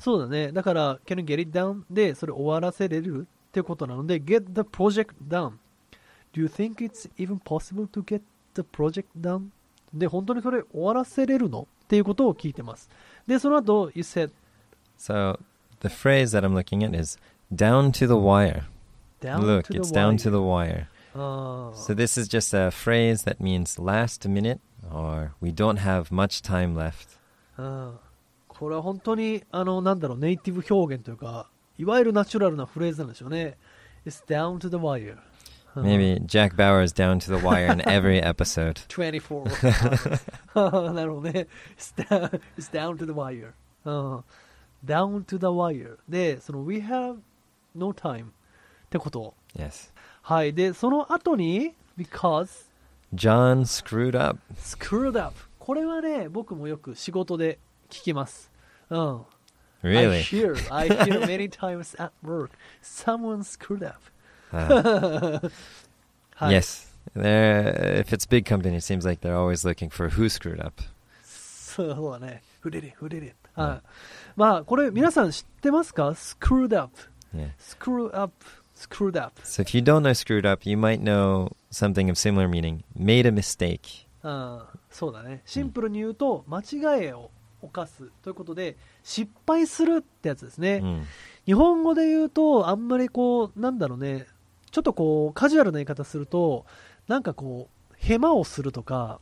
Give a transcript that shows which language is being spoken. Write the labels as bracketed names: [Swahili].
[Japanese] そうだね。だから [English] Can you get it done? [Japanese] でそれ終わらせれるっていうことなので、 [English] Get the project doneDo you think it's even possible to get the project done? [Japanese] で、本当にそれ終わらせれるの?っていうことを聞いてます。で、その後、 [English] you said... So, the phrase that I'm looking at is down to the wire. Down to the wire. So this is just a phrase that means last minute or we don't have much time left. [Japanese] これは本当にあのなんだろうネイティブ表現というかいわゆるナチュラルなフレーズなんでしょうね。 [English] It's down to the wire. Maybe Jack Bauer is down to the wire in every episode. 24. [Japanese] なるほどね。 [English] It's down to the wire. Down to the wire. [Japanese] で、その [English] we have no time [Japanese] ってこと。 [English] Yes. [Japanese] はい。で、その後に [English] because John screwed up. Screwed up. [Japanese] これはね、僕もよく仕事で聞きます。 [English] Really? I hear many times at work someone screwed up. Yes. There, if it's a big company, it seems like they're always looking for who screwed up. [Japanese] そうだね。 [English] Who did it? Who did it? [Japanese] まあこれ皆さん知ってますか? [English] Screwed up. Yeah. Screw up. Screwed up. So if you don't know screwed up, you might know something of similar meaning. Made a mistake. [Japanese] そうだね。シンプルに言うと間違いを犯すということで失敗するってやつですね、日本語で言うとあんまりこうなんだろうねちょっとこうカジュアルな言い方するとなんかこうヘマをするとか